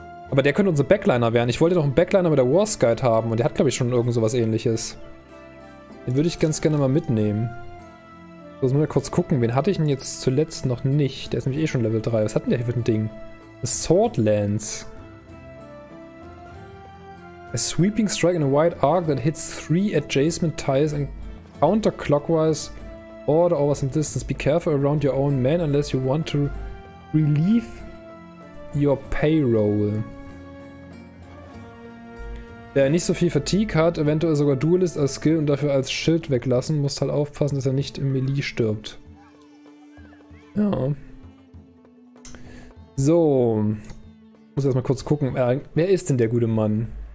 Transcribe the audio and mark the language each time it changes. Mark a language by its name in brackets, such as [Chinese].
[German] Aber der könnte unser Backliner werden. Ich wollte noch einen Backliner mit der Warsguide haben und der hat, glaube ich, schon irgend sowas ähnliches. Den würde ich ganz gerne mal mitnehmen. So, jetzt muss ich kurz gucken, wen hatte ich denn jetzt zuletzt noch nicht? Der ist nämlich eh schon Level 3. Was hat denn der hier für ein Ding? [English] Swordlance. A sweeping strike in a wide arc that hits three adjacent tiles and counterclockwise order over some distance. Be careful around your own man unless you want to relieve your payroll. [German] Wer nicht so viel Fatigue hat, eventuell sogar Duelist als Skill und dafür als Schild weglassen, muss halt aufpassen, dass er nicht im Melee stirbt. Ja. So. Muss erstmal kurz gucken. Wer ist denn der gute Mann?